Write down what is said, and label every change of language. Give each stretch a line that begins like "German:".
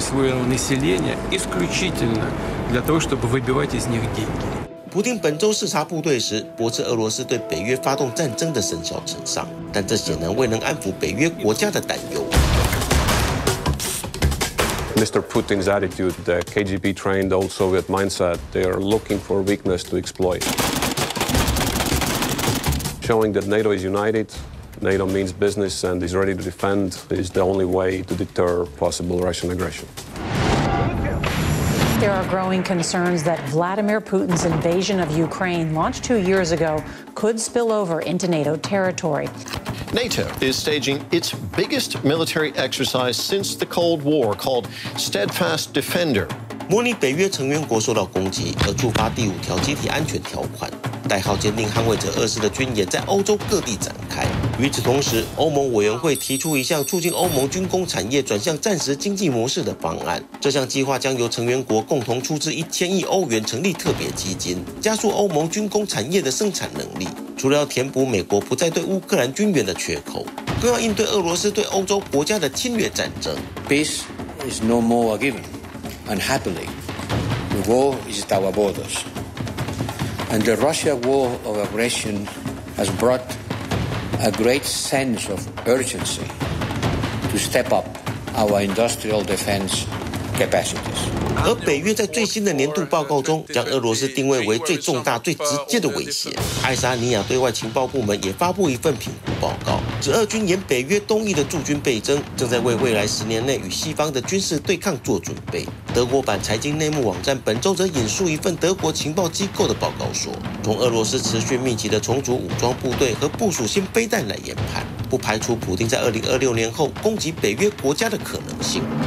Russian: своего населения исключительно для того, чтобы выбивать из них деньги.
Chinese: 普丁本周视察部队时，驳斥俄罗斯对北约发动战争的生效承上，但这显然未能安抚北约国家的担忧。
English: Mr. Putin's attitude, the KGB trained old Soviet mindset, they are looking for weakness to exploit. Showing that NATO is united, NATO means business and is ready to defend, is the only way to deter possible Russian aggression. There are growing concerns that Vladimir Putin's invasion of Ukraine, launched 2 years ago, could spill over into NATO territory. NATO is staging its biggest military exercise since the Cold War, called Steadfast Defender.
Chinese: 模拟北约成员国受到攻击，而触发第五条集体安全条款，代号“坚定捍卫者”俄式的军演在欧洲各地展开。与此同时，欧盟委员会提出一项促进欧盟军工产业转向战时经济模式的方案。这项计划将由成员国共同出资1000亿欧元成立特别基金，加速欧盟军工产业的生产能力。除了要填补美国不再对乌克兰军援的缺口，更要应对俄罗斯对欧洲国家的侵略战争。
English: Peace is no more a given. Unhappily, the war is at our borders, and the Russia war of aggression has brought. A great sense of urgency to step up our industrial defense capacities.
Chinese: 而北约在最新的年度报告中，将俄罗斯定位为最重大、最直接的威胁。爱沙尼亚对外情报部门也发布一份评估报告，指俄军沿北约东翼的驻军倍增，正在为未来十年内与西方的军事对抗做准备。德国版财经内幕网站本周则引述一份德国情报机构的报告说，从俄罗斯持续密集的重组武装部队和部署新飞弹来研判，不排除普丁在2026年后攻击北约国家的可能性。